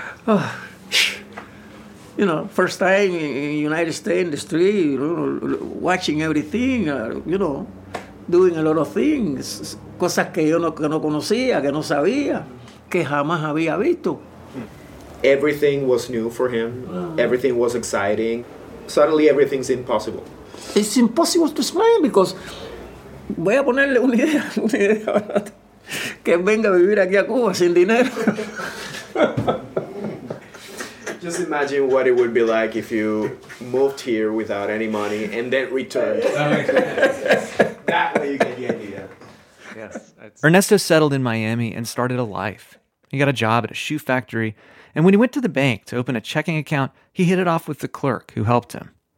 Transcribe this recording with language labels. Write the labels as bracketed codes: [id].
[en] Oh. You know, first time in the United States in the street, you know, watching everything, you know, doing a lot of things, [es] cosas que yo no conocía, que no sabía, que jamás había visto. [en] everything was new for him. Mm-hmm. Everything was exciting. Suddenly, everything's impossible. It's impossible to explain because... [es] Voy a ponerle una idea, ¿verdad? Que venga a vivir aquí a Cuba sin dinero. [en] Just imagine what it would be like if you moved here without any money and then returned. That way you get the idea. Yes. Ernesto settled in Miami and started a life. He got a job at a shoe factory, and when he went to the bank to open a checking account, he hit it off with the clerk who helped him.